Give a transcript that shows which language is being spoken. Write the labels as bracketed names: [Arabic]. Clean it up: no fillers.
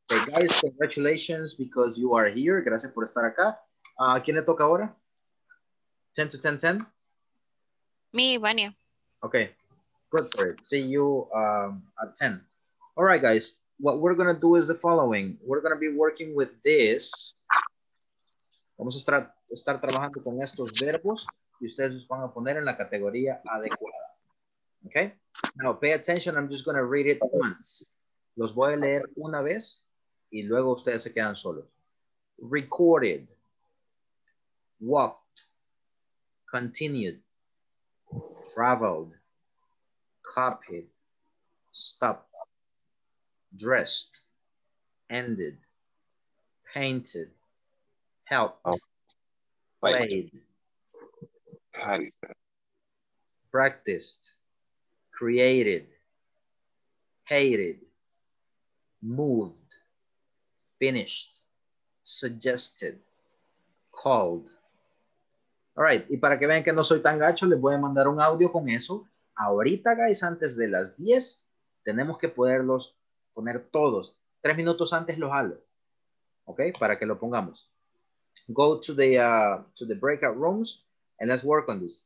[English] Okay, guys, congratulations because you are here. [Spanish] Gracias por estar acá. ¿Quién le toca ahora? [English] 10 to 10, 10? Me, Vania. Okay. Good for it. See you at 10. All right, guys, what we're going to do is the following. We're going to be working with this. [Spanish] Vamos a estar trabajando con estos verbos y ustedes los van a poner en la categoría adecuada. [English] Okay? Now, pay attention. I'm just going to read it once. [Spanish] Los voy a leer una vez y luego ustedes se quedan solos. [English] Recorded. Walked. Continued. Traveled. Copied. Stopped. Dressed. Ended. Painted. Helped. Played. Practiced. Created. Hated. Moved. Finished. Suggested. Called. All right. [Spanish] Y para que vean que no soy tan gacho, les voy a mandar un audio con eso. Ahorita, guys, antes de las 10, tenemos que poderlos poner todos. 3 minutos antes los hago. Ok, para que lo pongamos. [English] Go to the breakout rooms and let's work on this.